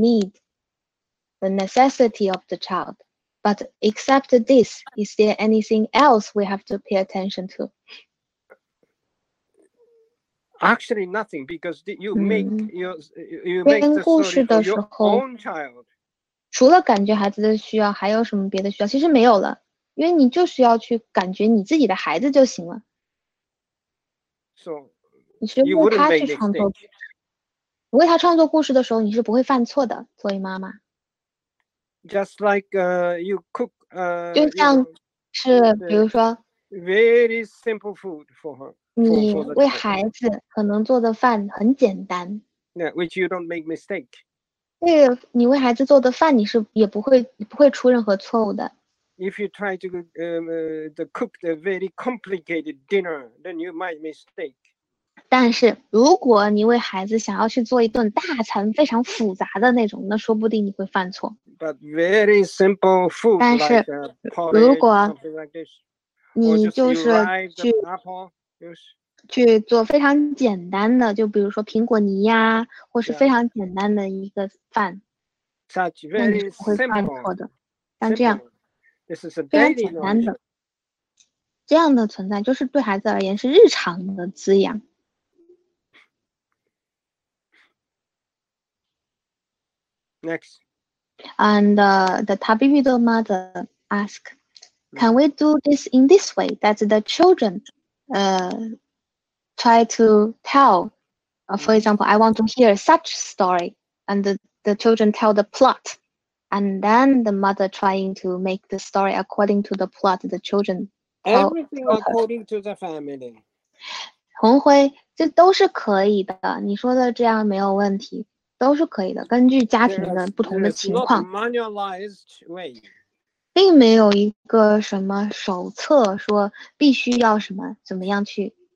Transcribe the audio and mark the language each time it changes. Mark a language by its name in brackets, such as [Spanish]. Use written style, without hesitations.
[English] need, the necessity of the child. But except this, is there anything else we have to pay attention to? Actually, nothing, because you make the story for your own child. [Chinese] 除了感觉孩子的需要，还有什么别的需要？其实没有了，因为你就是要去感觉你自己的孩子就行了。 [English] So, [Chinese] 你是为他去创作，为他创作故事的时候，你是不会犯错的，作为妈妈。 [English] Just like you cook, [Chinese] 就像是比如说 [English] very simple food for her. [Chinese] 你为孩子可能做的饭很简单。 [English] Yeah, which you don't make mistake. [Chinese] 对，你为孩子做的饭，你是也不会出任何错误的。 [English] If you try to cook the very complicated dinner, then you might mistake. [Chinese] 但是如果你为孩子想要去做一顿大餐，非常复杂的那种，那说不定你会犯错。 [English] But very simple food. [Chinese] 但是 [English] like, [Chinese] 如果、 [English] like、this, [Chinese] 你就是去 [English] apple,、yes. [Chinese] 去做非常简单的，就比如说苹果泥呀、啊，或是非常简单的一个饭， [English] yeah. Such very [Chinese] 那你不会犯错的。 [English] Simple. [Chinese] 像这样 [English] This is a [Chinese] 非常简单的这样的存在，就是对孩子而言是日常的滋养。 [English] Next, and the Tabibido mother ask, can we do this in this way that the children, try to tell, for example, I want to hear such story, and the children tell the plot, and then the mother trying to make the story according to the plot the children tell. Everything according to the family. [Chinese] 红辉，这都是可以的，你说的这样没有问题，都是可以的，根据家庭的不同的情况。 [English] There is not a manualized way. [Chinese] 并没有一个什么手册说必须要什么，怎么样去。